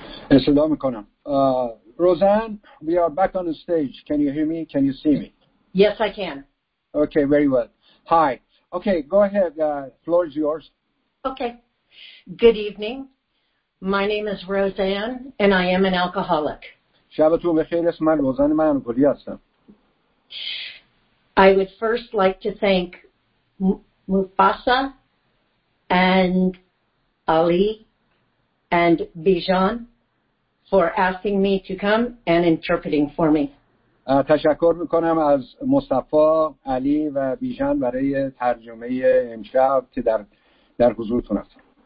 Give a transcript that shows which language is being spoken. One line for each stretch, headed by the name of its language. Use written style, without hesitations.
Persian: استدعا میکنم.
English: Roseanne, we are back on the stage. Can you hear me? Can you see me? Yes, I can. Okay, very well. Hi. Okay, go ahead. Floor is yours. Okay. Good evening. My name is Roseanne, and I am an alcoholic.
Persian: شبتون بخیر، اسم من روزن، من الکلی هستم.
English: I would first like to thank Mufasa and Ali and Bijan for asking me to come and interpreting for me.
Persian: تشکر میکنم از مصطفی، علی و بیژن برای ترجمه امشب که در حضورتون هستم.